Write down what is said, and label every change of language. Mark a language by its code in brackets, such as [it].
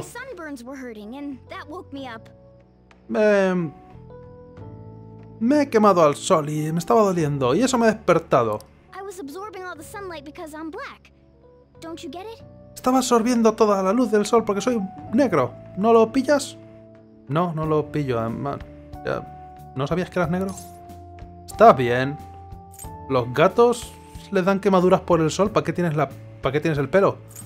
[en] My sunburns were hurting and that woke me up. [es] Me he quemado al sol y me estaba doliendo y eso me ha despertado. [en] I was absorbing all the sunlight because I'm black. Don't you get it? [es] Estaba absorbiendo toda la luz del sol porque soy negro. ¿No lo pillas? No, no lo pillo. ¿No sabías que eras negro? Está bien. Los gatos les dan quemaduras por el sol. ¿Para qué tienes el pelo?